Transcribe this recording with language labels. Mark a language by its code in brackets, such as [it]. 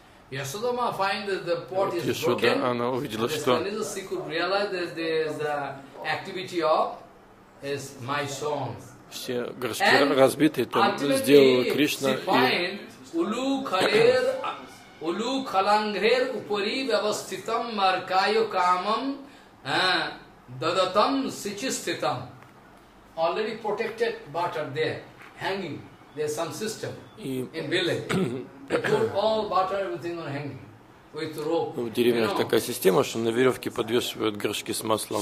[en] Yashoda ma find that the pot is broken. [ru] Yashoda, она увидела, что... [en] She could realize that there is the activity of is my song. [ru] Все горшки разбиты, то сделал Кришна и... [sa] Ulu khalangher upari vyavasthitam markayo kamam dadatam sichisthitam. [en] Already protected butter there, hanging. There's some system in village. Put all butter everything on hanging with rope. [ru] В деревнях такая система, что на веревке подвешивают горшки с маслом.